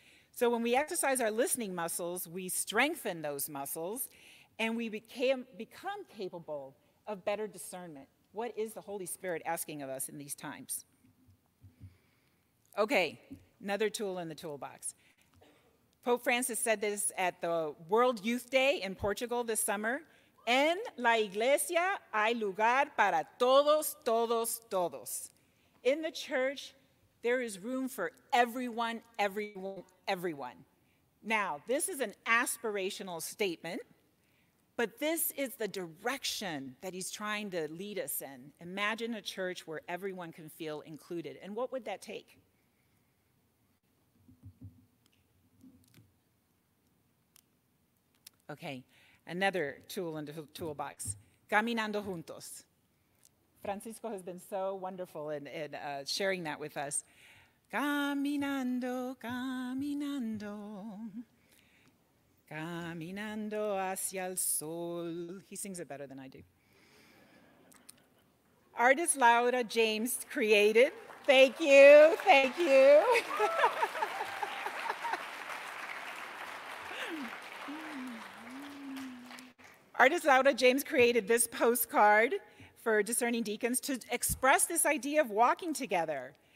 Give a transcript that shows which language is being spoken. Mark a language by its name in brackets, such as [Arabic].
[English] So when we exercise our listening muscles, we strengthen those muscles, and we become capable of better discernment. What is the Holy Spirit asking of us in these times? Okay, another tool in the toolbox. Pope Francis said this at the World Youth Day in Portugal this summer. [Spanish] En la iglesia hay lugar para todos, todos, todos. [English] In the church, there is room for everyone, everyone, everyone. Now, this is an aspirational statement, but this is the direction that he's trying to lead us in. Imagine a church where everyone can feel included. And what would that take? Okay, another tool in the toolbox, [Spanish] caminando juntos. [English] Francisco has been so wonderful in sharing that with us. [Spanish] Caminando, caminando, caminando hacia el sol. [English] He sings it better than I do. Artist Laura James created. Thank you, thank you. Artist Laura James created this postcard for discerning deacons to express this idea of walking together.